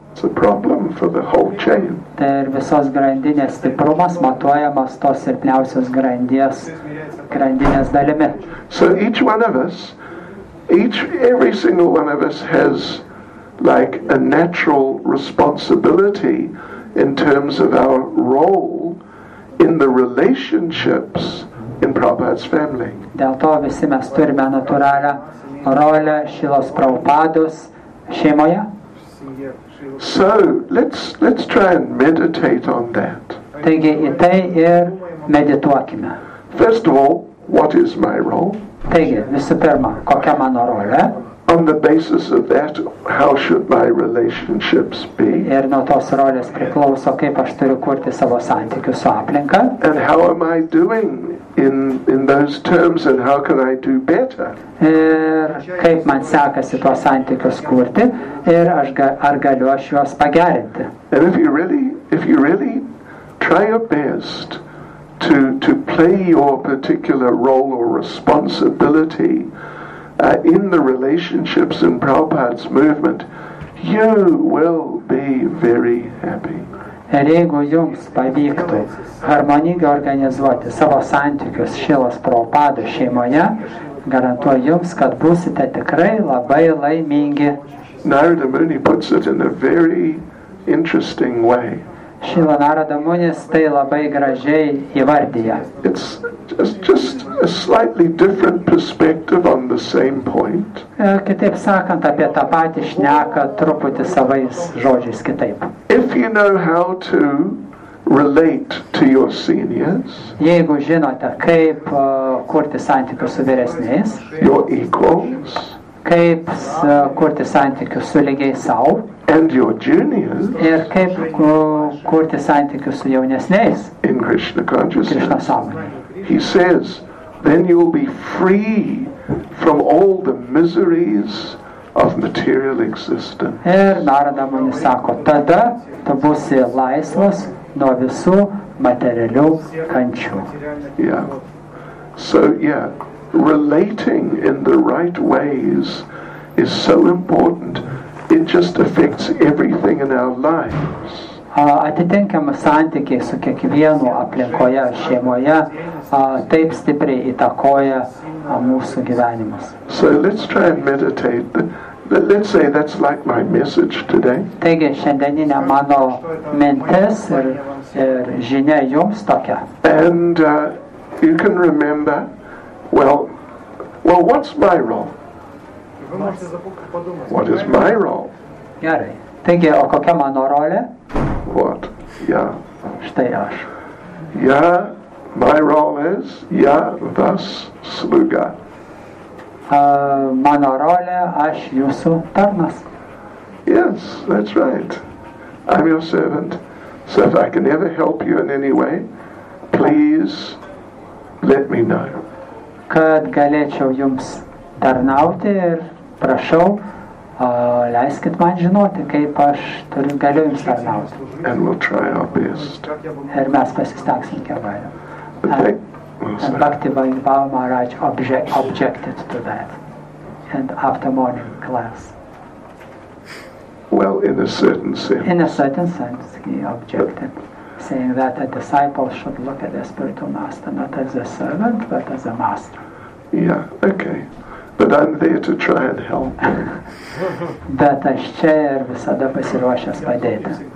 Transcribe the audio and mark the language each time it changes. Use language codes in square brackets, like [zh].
[en] it's a problem for the whole chain. [lt] Tai ir visos grandinės stiprumas matuojamas tos silpniausios grandinės dalimi. [en] So each one of us, every single one of us has like a natural responsibility in terms of our role in the relationships in Prabhupada's family. [lt] Dėl to visi mes turime natūralią rolę Šilos Prabhupados šeimoje. [en] So let's try and meditate on that. [lt] Taigi į tai ir medituokime. [en] First of all, what is my role? [lt] Taigi, visų pirma, kokia mano rolė? [en] On the basis of that, how should my relationships be? [lt] Ir nuo tos rolės priklauso, kaip aš turiu kurti savo santykius su aplinka. [en] And how am I doing in those terms and how can I do better? [lt] Ir kaip man sekasi tuos santykius kurti ir aš ar galiu aš juos pagerinti? [en] And if you really try your best to play your particular role or responsibility in the relationships in Prabhupada's movement, you will be very happy. [lt] Ir jeigu jums pavyktų harmoningai organizuoti savo santykius Šilos Prabhupados šeimoje, garantuoju jums, kad būsite tikrai labai laimingi. [en] Narada Muni puts it in a very interesting way. [lt] Šila Narada Munis tai labai gražiai įvardyja. [en] It's just a slightly different perspective on the same point. [lt] Kitaip sakant, apie tą patį šneką truputį savais žodžiais kitaip. [en] If you know how to relate to your seniors, [lt] jeigu žinote, kaip kurti santykius su vyresniais, [en] your equals, [lt] kaip kurti santykius su lygiais sau, [en] and your juniors, [lt] ir kaip kurti santykius su jaunesniais, [en] in Krishna consciousness, [lt] Krishna sąmonė. [en] He says, then you'll be free from all the miseries of material existence. [lt] Ir Narada Muni sako, tada tu būsi laisvas nuo visų materialių kančių. [en] Yeah. So, yeah, relating in the right ways is so important. It just affects everything in our lives. [lt] Atitinkamas santykiai su kiekvienu aplinkoje, šeimoje, taip stipriai įtakoja mūsų gyvenimus. [en] So let's try and meditate. Let's say that's like my message today. [lt] Taigi šiandieninė mano mintis ir žinia jums tokia. [en] And you can remember, well, what's my role? What is my role? [lt] Gerai. Taigi, o kokia mano rolė? [en] What? Yeah. [lt] Štai aš. [en] Yeah, my role is, yeah, thus, sluga. [lt] Mano rolė, aš jūsų tarnas. [en] Yes, that's right. I'm your servant. So if I can ever help you in any way, please let me know. [lt] Kad galėčiau jums tarnauti ir prašau, leiskit man žinoti, kaip aš turiu galiu jums tarnauti. [en] And we'll try our best. [lt] Ir mes pasistengsim kevairiu. [en] And Bhakti Vaibhava Maharaj objected to that. And after morning class. Well, in a certain sense. In a certain sense, he objected, but saying that a disciple should look at the spiritual master, not as a servant, but as a master. Yeah, okay. But I'm there to try and help. [lt] Bet aš čia ir visada pasiruošęs padėti.